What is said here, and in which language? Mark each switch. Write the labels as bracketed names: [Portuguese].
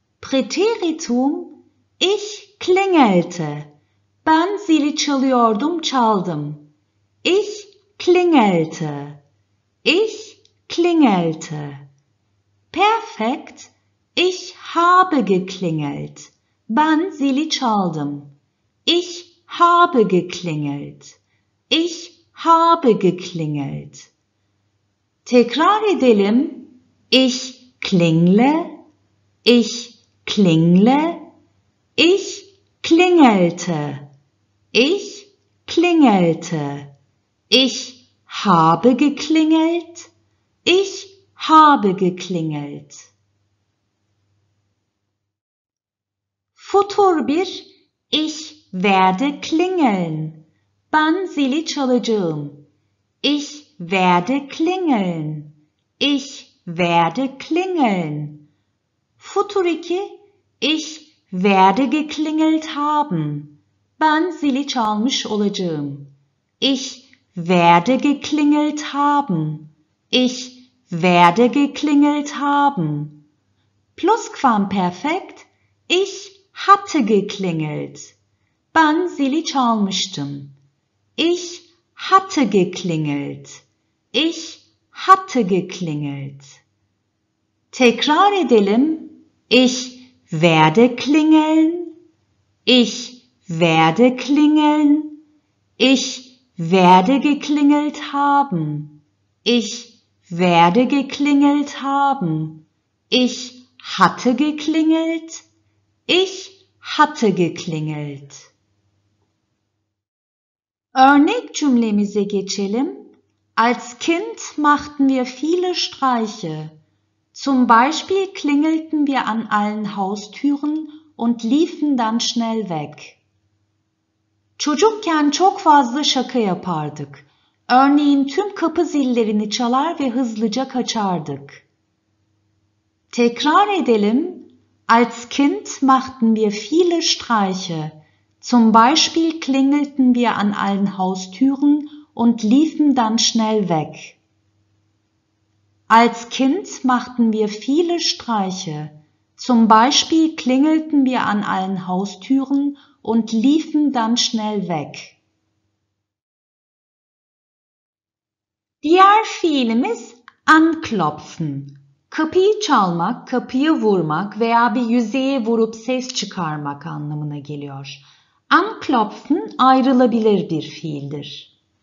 [German] Präteritum, ich klingelte. [Turkish] Ben zili çalıyordum, çaldım. [German] Ich klingelte. Ich klingelte. Perfekt, ich habe geklingelt. [Turkish] Ben zili çaldım. [German] Ich habe geklingelt. Ich habe geklingelt. [Turkish] Tekrar edelim. [German] Ich klingle. Ich klingle. Ich klingelte. Ich klingelte. Ich habe geklingelt. Ich habe geklingelt. Futur 1. Ich werde klingeln. [Turkish] Ben zili çalacağım. [German] Ich werde klingeln. Ich werde klingeln. Futur 2. Ich werde geklingelt haben. [Turkish] Ben zili çalmış olacağım. [German] Ich werde geklingelt haben. Ich werde geklingelt haben. Plusquamperfekt. Ich hatte geklingelt. [Turkish] Ben zili çalmıştım. [German] Ich hatte geklingelt. Ich hatte geklingelt. [Turkish] Tekrar edelim. [German] Ich werde klingeln. Ich werde klingeln. Ich werde geklingelt haben. Ich werde geklingelt haben. Ich hatte geklingelt. Ich hatte geklingelt. [Turkish] Örnek cümlemize geçelim. [German] Als Kind machten wir viele Streiche. Zum Beispiel klingelten wir an allen Haustüren und liefen dann schnell weg. [Turkish] Çocukken çok fazla şaka yapardık. Örneğin tüm kapı zillerini çalar ve hızlıca kaçardık. Tekrar edelim. [German] Als Kind machten wir viele Streiche. Zum Beispiel klingelten wir an allen Haustüren und liefen dann schnell weg. Als Kind machten wir viele Streiche. Zum Beispiel klingelten wir an allen Haustüren und liefen dann schnell weg. [Turkish] Diğer fiilimiz anklopfen. Kapıyı çalmak, kapıyı vurmak veya bir yüzeye vurup ses çıkarmak anlamına geliyor. Anklopfen ayrılabilir bir fiildir.